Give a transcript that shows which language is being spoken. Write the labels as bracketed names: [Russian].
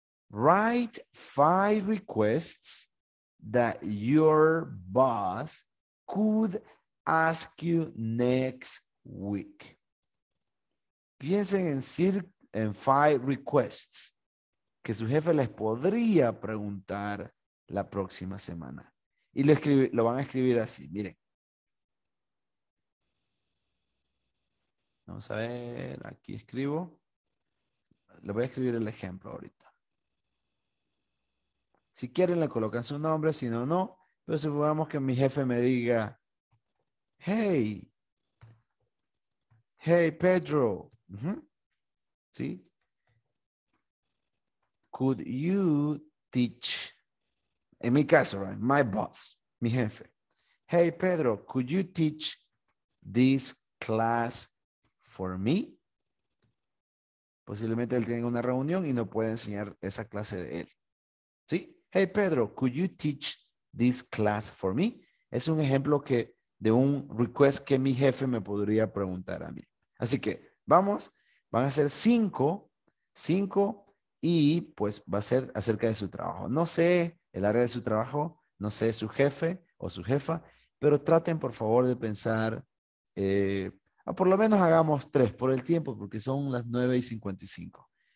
[English] Write 5 requests that your boss could ask you next week. [Spanish] Piensen en 5 requests que su jefe les podría preguntar la próxima semana. Y lo van a escribir así, miren. Vamos a ver, aquí escribo. Le voy a escribir el ejemplo ahorita. Si quieren le colocan su nombre, si no, no. Pero supongamos que mi jefe me diga, hey, hey Pedro, ¿sí? [English] Could you teach, [Spanish] en mi caso, [English] right? My boss, [Spanish] mi jefe. [English] Hey Pedro, could you teach this class for me? [Spanish] Posiblemente él tiene una reunión y no puede enseñar esa clase de él, ¿sí? [English] Hey Pedro, could you teach this class for me? [Spanish] Es un ejemplo que de un request que mi jefe me podría preguntar a mí. Así que vamos, van a ser 5 y pues va a ser acerca de su trabajo. No sé el área de su trabajo, no sé su jefe o su jefa, pero traten por favor de pensar, por lo menos hagamos 3 por el tiempo, porque son las 9:55.